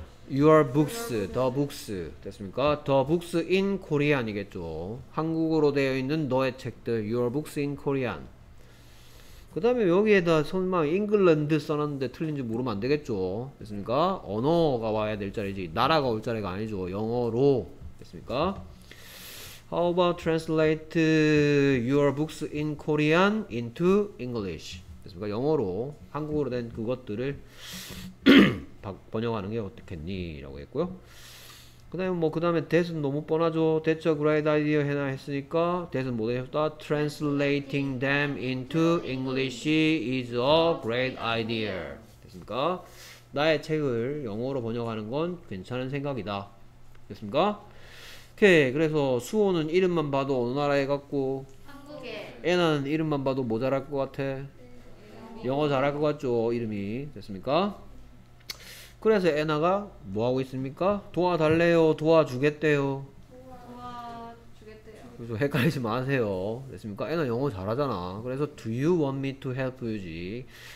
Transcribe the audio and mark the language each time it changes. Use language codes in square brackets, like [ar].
[en] Your books, the books. [ko] 됐습니까? [en] The books in Korean이겠죠. [ko] 한국어로 되어 있는 너의 책들. [en] Your books in Korean. [ko] 그 다음에 여기에다 설마 England 써놨는데 틀린지 모르면 안 되겠죠. 됐습니까? 언어가 와야 될 자리지. 나라가 올 자리가 아니죠. 영어로. 됐습니까? [en] How about translate your books in Korean into English? [ko] 됐습니까? 영어로. 한국어로 된 그것들을 번역하는 게 어떻겠니? 라고 했고요. 그 다음에 뭐, 그 다음에 that은 너무 뻔하죠. [en] That's a great idea [ko] 해나 했으니까 [en] that은 뭐 했다? Translating them into English is a great idea. [ko] 됐습니까? 나의 책을 영어로 번역하는 건 괜찮은 생각이다. 됐습니까? 오케이. 그래서 수호는 이름만 봐도 어느 나라에 갔고 한국에, 애는 이름만 봐도 뭐 잘할 것 같아? 영어 잘할 것 같죠? 이름이. 됐습니까? 그래서 애나가 뭐 하고 있습니까? 도와달래요. 도와주겠대요. 도와주겠대요. 그래서 헷갈리지 마세요. 됐습니까? 애나 영어 잘하잖아. 그래서 [en] Do you want me to help you지?